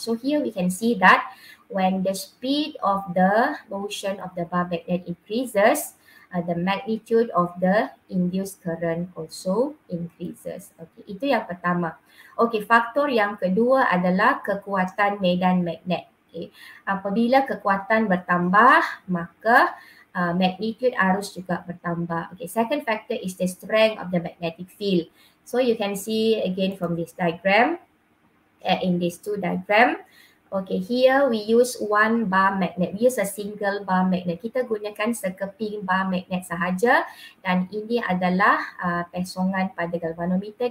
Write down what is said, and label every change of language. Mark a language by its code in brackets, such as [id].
[en] So here we can see that when the speed of the motion of the bar magnet increases, the magnitude of the induced current also increases. [ms] Okay, itu yang pertama. Okay, faktor yang kedua adalah kekuatan medan magnet. Okay, apabila kekuatan bertambah, maka magnitude arus juga bertambah. [en] Okay, second factor is the strength of the magnetic field. So you can see again from this diagram, in these two diagram. Okay, here we use one bar magnet. We use a single bar magnet. [ms] Kita gunakan sekeping bar magnet sahaja dan ini adalah pesongan pada galvanometer.